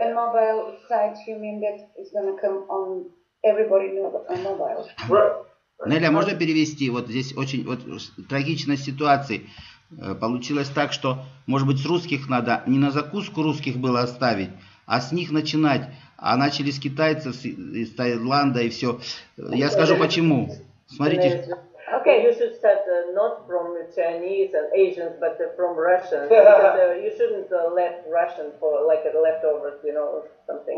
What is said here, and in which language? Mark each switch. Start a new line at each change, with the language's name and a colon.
English: And mobile site, you mean that it's going to come on everybody on mobile? Right.
Russian: Неля, можно перевести? Вот здесь очень вот трагичная ситуация. Получилось так, что, может быть, с русских надо не на закуску русских было оставить, а с них начинать. А начали с китайцев, с Таиланда и все. Я скажу почему. Смотрите.
English: Okay, you should start not from Chinese and Asians, but from Russians. You shouldn't let Russian for like a leftovers, you know, something.